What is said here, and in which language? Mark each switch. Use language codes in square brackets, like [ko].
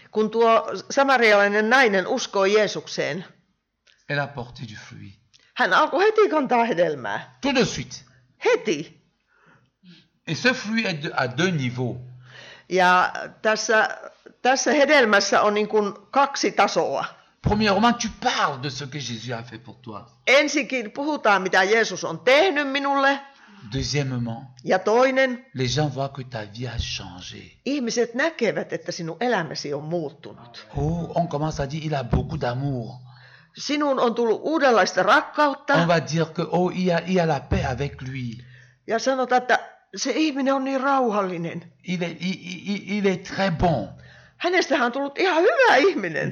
[fi] kun tuo samarialainen nainen uskoi Jeesukseen, [fr] elle a porté du fruit. [fi] Hän alkoi heti kantaa hedelmää. [fr] Tout de suite. [fi] Heti. [fr] Et ce fruit est à deux niveaux. [fi] Ja tässä hedelmässä on niin kuin kaksi tasoa. [fr] Premièrement, tu parles de ce que Jésus a fait pour toi. [fi] Ensinnäkin puhutaan, mitä Jeesus on tehnyt minulle. [fr] Deuxièmement. [fi] Ja toinen. [fr] Les gens voient que ta vie a changé. [fi] Ihmiset näkevät, että sinun elämäsi on muuttunut. [fr] Oh, on commence à dire, il a beaucoup d'amour. [fi] Sinun on tullut uudenlaista rakkautta. [fr] On va dire que, oh, il y a la paix avec lui. [fi] Ja sanotaan, että se ihminen on niin rauhallinen. [fr] Il est très bon. [fi] Hänestähän on tullut ihan hyvä ihminen.